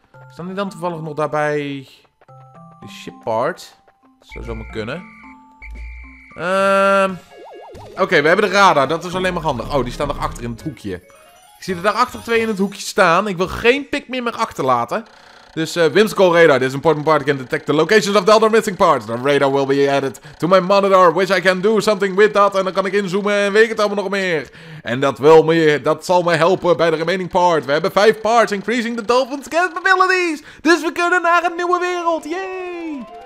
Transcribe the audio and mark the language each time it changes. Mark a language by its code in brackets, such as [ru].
[nl] Staan die dan toevallig nog daarbij? De ship part. Zou zomaar kunnen. Oké, we hebben de radar. Dat is alleen maar handig. Oh, die staan daarachter in het hoekje. Ik zie er daarachter twee in het hoekje staan. Ik wil geen Pikmin meer achterlaten. Dus, Whimsical Radar. [en] This important part can detect the locations of the other missing parts. The radar will be added to my monitor, which I can do something with that. [nl] En dan kan ik inzoomen en weet ik het allemaal nog meer. En dat wil me, dat zal me helpen bij de [en] remaining part. [nl] We hebben 5 parts, [en] increasing the Dolphin's capabilities. [nl] Dus we kunnen naar een nieuwe wereld. Yay!